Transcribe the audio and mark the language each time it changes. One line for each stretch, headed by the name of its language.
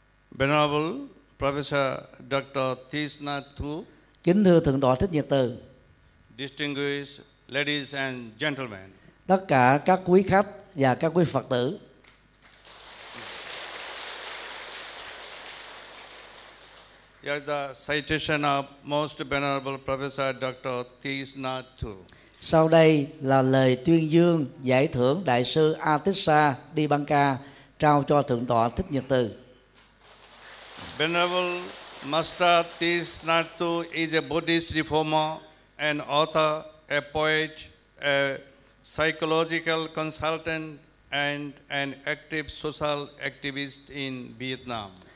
English: Venerable Professor Dr. Thich Nhat Hanh.
Vietnamese: Kính thưa Thượng tọa Thích Nhật Từ.
English: Distinguished ladies and gentlemen.
Vietnamese: Tất cả các quý khách và các quý Phật tử.
English: Here's the citation of most venerable professor Dr. Thich Nhat Hanh.
Vietnamese: Sau đây là lời tuyên dương giải thưởng Đại sư Atisa Dibanka trao cho Thượng tọa Thích Nhật Từ.
English: Venerable Master Thich Nhat Hanh is a Buddhist reformer, an author, a poet, a psychological consultant, and an active social activist in Vietnam.